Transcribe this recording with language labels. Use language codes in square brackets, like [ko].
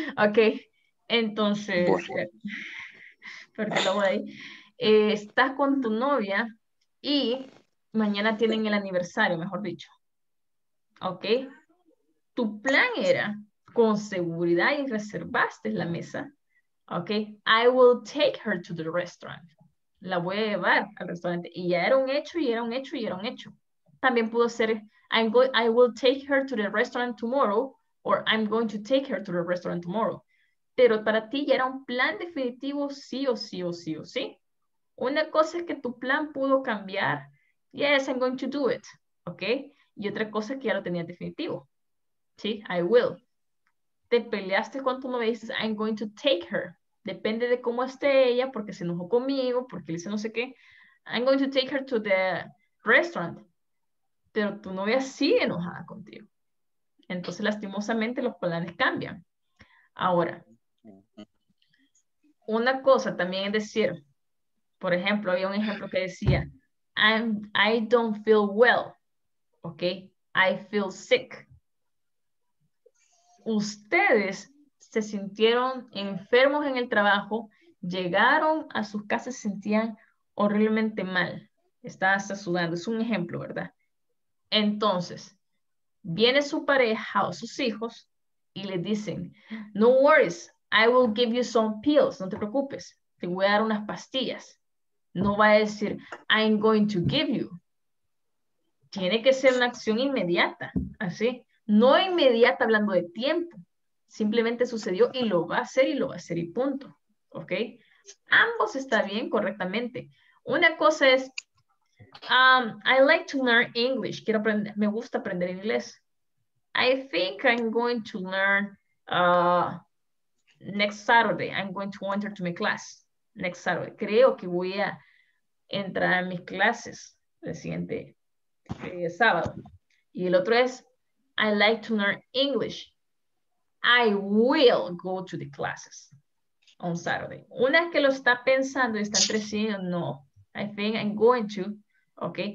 [es] Ok, entonces, perdón, ahí. Estás con tu novia y mañana tienen el aniversario, mejor dicho. Ok, tu plan era, con seguridad y reservaste la mesa. [en] Ok, I will take her to the restaurant. [es] La voy a llevar al restaurante. Y ya era un hecho, y era un hecho, y era un hecho. También pudo ser, [en] I will take her to the restaurant tomorrow, or I'm going to take her to the restaurant tomorrow. [es] Pero para ti ya era un plan definitivo, sí o sí o sí o sí. Una cosa es que tu plan pudo cambiar, [en] yes, I'm going to do it, [es] ¿ok? Y otra cosa es que ya lo tenías definitivo, ¿sí? [en] I will. [es] Te peleaste con tu novia y dices, [en] I'm going to take her. [es] Depende de cómo esté ella, porque se enojó conmigo, porque dice no sé qué. [en] I'm going to take her to the restaurant. [es] Pero tu novia sigue enojada contigo. Entonces, lastimosamente, los planes cambian. Ahora, una cosa también es decir, por ejemplo, había un ejemplo que decía, [en] I don't feel well, [es] ¿ok? [en] I feel sick. [es] Ustedes se sintieron enfermos en el trabajo, llegaron a sus casas y se sentían horriblemente mal. Estaba hasta sudando, es un ejemplo, ¿verdad? Entonces, viene su pareja o sus hijos y le dicen, [en] no worries, I will give you some pills, [es] no te preocupes, te voy a dar unas pastillas. No va a decir, [en] I'm going to give you. [es] Tiene que ser una acción inmediata, así. No inmediata hablando de tiempo, simplemente sucedió y lo va a hacer y lo va a hacer y punto. ¿Ok? Ambos está bien correctamente. Una cosa es, [en] I like to learn English. [es] Quiero aprender, me gusta aprender inglés. [en] I think I'm going to learn next Saturday. I'm going to enter to my class next Saturday. [es] Creo que voy a entrar a mis clases el siguiente sábado. Y el otro es, [en] I like to learn English. I will go to the classes on Saturday. [es] Una que lo está pensando y está creciendo, no. [en] I think I'm going to. ¿Ok?